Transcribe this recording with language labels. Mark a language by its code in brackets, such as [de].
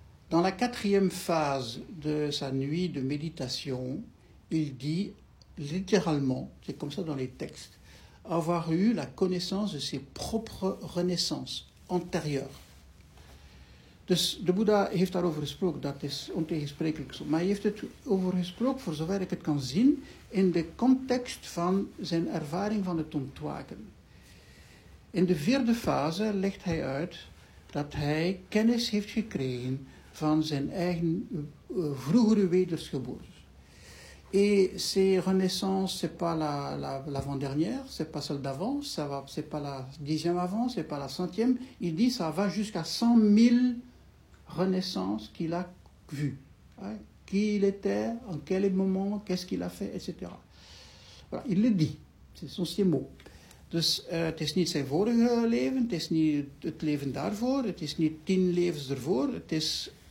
[fr] Dans la quatrième phase de sa nuit de méditation, il dit littéralement, c'est comme ça dans les textes, avoir eu la connaissance de ses propres renaissances antérieures. [nl] De Bouddha heeft daarover gesproken, dat is ontegensprekelijk zo. Maar hij heeft het over gesproken, voor zover ik het kan zien, in de context van zijn ervaring van het ontwaken. In de vierde fase legt hij uit dat hij kennis heeft gekregen van zijn eigen vroegere wedersgeboorte. [fr] Et ces renaissances, ce n'est pas l'avant-dernière, ce n'est pas celle d'avant, ce n'est pas la dixième avant, ce n'est pas la centième. Il dit que ça va jusqu'à 100 000 renaissances qu'il a vues. Hein. Qui il était, en quel moment, qu'est-ce qu'il a fait, etc. Voilà, il le dit, ce sont ses mots. [nl] Dus het is niet zijn vorige leven, het is niet het leven daarvoor, het is niet 10 levens ervoor, het is...